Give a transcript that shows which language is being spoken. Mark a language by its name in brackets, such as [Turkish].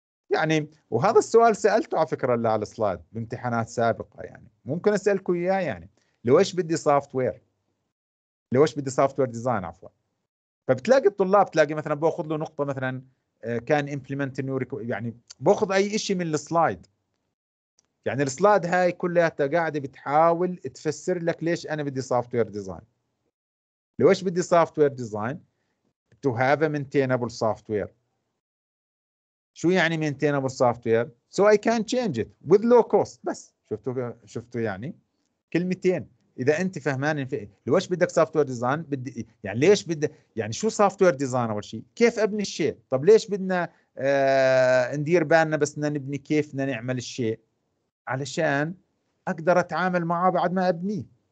[Arabic] يعني وهذا السؤال سألته على فكرة على السلايد بامتحانات سابقة، يعني ممكن أسألكوا إياه، يعني لوش بدي software، لوش بدي [English] software design [Arabic] عفوا. فبتلاقي الطلاب، تلاقي مثلا بأخذ له نقطة مثلا كان [English] implement new requirement، [Arabic] يعني بأخذ أي إشي من السلايد. يعني السلايد هاي كلها قاعدة بتحاول تفسر لك ليش أنا بدي [English] software design. [Arabic] لوش بدي [English] software design؟ To have a maintainable software. [Arabic] شو يعني [English] maintainable software؟ So I can change it with low cost. [Arabic] بس شفتوا يعني كلمتين. إذا أنت فهمان لوش بدك [English] software design، [Arabic] بدي يعني ليش بدي، يعني شو software design أول شيء؟ كيف أبني الشيء؟ طب ليش بدنا ندير بالنا بس نبني كيف نعمل الشيء؟ علشان أقدر أتعامل معه بعد ما أبنيه.